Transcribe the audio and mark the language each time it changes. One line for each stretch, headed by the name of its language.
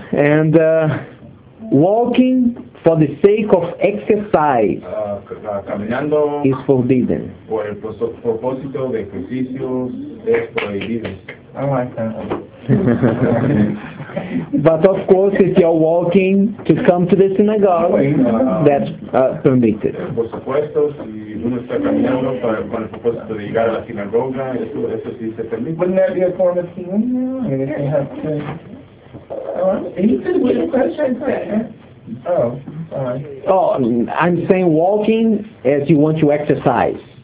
English: And walking for the sake of exercise
Spanish: caminando
English: is forbidden.
Spanish: Por el propósito de ejercicios es prohibido.
English: I like that. But of course, if you're walking to come to the synagogue, that's permitted.
Spanish: Por supuesto, si uno está caminando con el propósito de llegar a la sinagoga, eso sí se permite.
English: Wouldn't that be a form of sin? I mean, if you have to. He said, "What did you say?" Oh, sorry. Oh, I'm saying walking as you want to exercise.